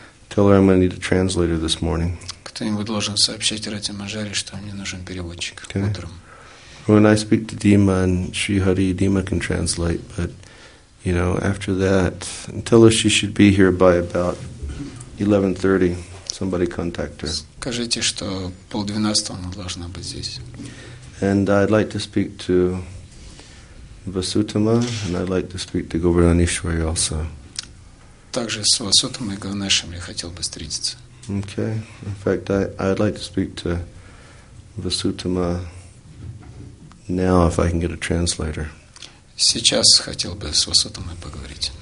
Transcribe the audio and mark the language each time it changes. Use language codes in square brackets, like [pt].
[en] Tell her I'm going to need a translator this morning. [ru] Кто-нибудь должен сообщить Рати Манджари, что мне нужен переводчик утром. [en] When I speak to Dima and Shri Hari, Dima can translate, but you know, after that, tell her she should be here by about 11:30. Somebody contact her. [ru] Скажите, что 11:30 она должна быть здесь. [en] And I'd like to speak to Vasutama, and I'd like to speak to Govardhaneshwari also. [ru] Также с Васутамой и Говардханешвари я хотел бы встретиться. [en] Okay. In fact, I'd like to speak to Vasutama now if I can get a translator. [ru] Сейчас хотел бы с Васутамой поговорить.